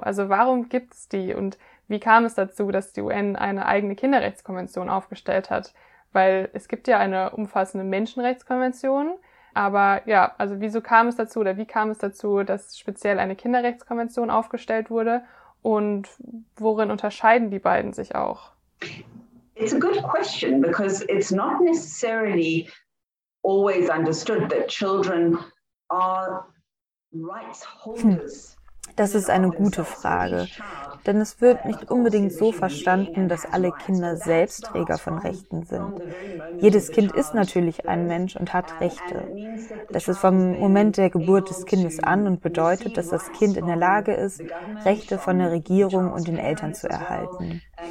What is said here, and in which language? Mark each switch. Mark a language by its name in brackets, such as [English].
[German] Also warum gibt es die und wie kam es dazu, dass die UN eine eigene Kinderrechtskonvention aufgestellt hat? Weil es gibt ja eine umfassende Menschenrechtskonvention, aber ja, also wieso kam es dazu oder wie kam es dazu, dass speziell eine Kinderrechtskonvention aufgestellt wurde und worin unterscheiden die beiden sich auch? [English] It's a good question because it's not necessarily always understood that children are rights holders. [German] Das ist eine gute Frage, denn es wird nicht unbedingt so verstanden, dass alle Kinder selbst Träger von Rechten sind. Jedes Kind ist natürlich ein Mensch und hat Rechte. Das ist vom Moment der Geburt des Kindes an und bedeutet, dass das Kind in der Lage ist, Rechte von der Regierung und den Eltern zu erhalten.